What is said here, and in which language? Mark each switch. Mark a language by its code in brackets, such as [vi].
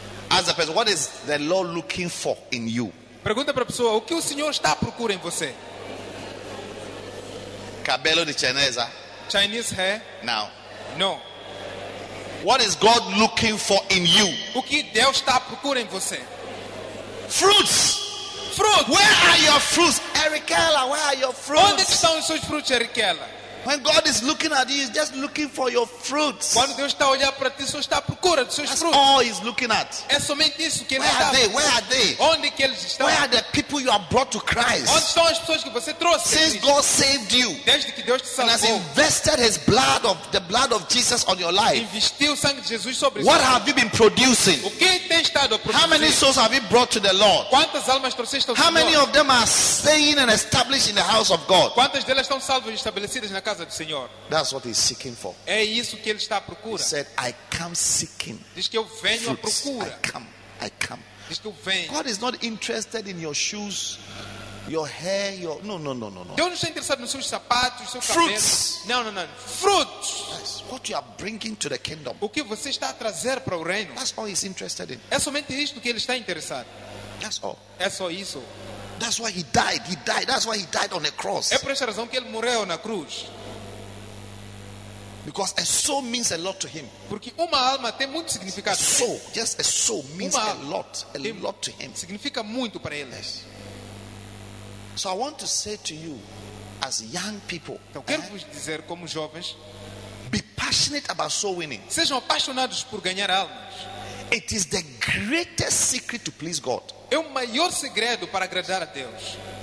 [en] Ask the person, what is the Lord looking for in you? [pt] Pergunta para a pessoa, o que o Senhor está procurando em você? Cabelo de chinesa. [en] Chinese hair. Now. [pt] No. [en] What is God looking for in you? [pt] O que Deus está procurando em você? [en] Fruits. Fruit. Where are your fruits, Erikela? Where are your fruits? [pt] Onde estão os seus frutos, Erikela? [en] When God is looking at you, he's just looking for your fruits. [pt] Quando Deus está a olhar para ti, só está à procura dos seus frutos. [en] That's all he's looking at. [pt] É somente isso que ele está. [en] Where are they? Where are they? [pt] Onde que eles estão? [en] Where are the people you have brought to Christ? [pt] Onde estão as pessoas que você trouxe? [en] Since God saved you, [pt] desde que Deus te salvou, [en] and has invested His blood of the blood of Jesus on your life, [pt] investiu o sangue de Jesus sobre. [en] What have you been producing? [pt] O que tem estado a produzir? [en] How many souls have you brought to the Lord? [pt] Quantas almas trouxeste ao Senhor? [en] How many of them are staying and established in the house of God? [pt] Quantas delas estão salvas e estabelecidas na casa? [en] That's what he's seeking for. [pt] É isso que ele está à procura. [en] He said, I come seeking. [pt] Diz que eu venho [en] fruits. [pt] À procura. [en] I come. [pt] Diz que eu venho. [en] God is not interested in your shoes, your hair, your no. [pt] Deus não está interessado nos seus sapatos, seu [en] fruits. [pt] Cabelo. Não. [en] Fruits. That's what you are bringing to the kingdom. [pt] O que você está a trazer para o reino? [en] That's all he's interested in. [pt] É somente isso que ele está interessado. [en] That's all. [pt] É só isso. [en] That's why he died. He died. That's why he died on the cross. [pt] É por essa razão que ele morreu na cruz. [en] Because a soul means a lot to him. [pt] Porque uma alma tem muito significado. [en] A soul, just a soul means a lot to him. [pt] Significa muito para ele. [en] Yes. So I want to say to you, as young people, [pt] então, quero vos dizer como jovens, [en] be passionate about soul winning. [pt] Sejam apaixonados por ganhar almas. [en] It is the greatest secret to please God. [pt] É o maior segredo para agradar a Deus.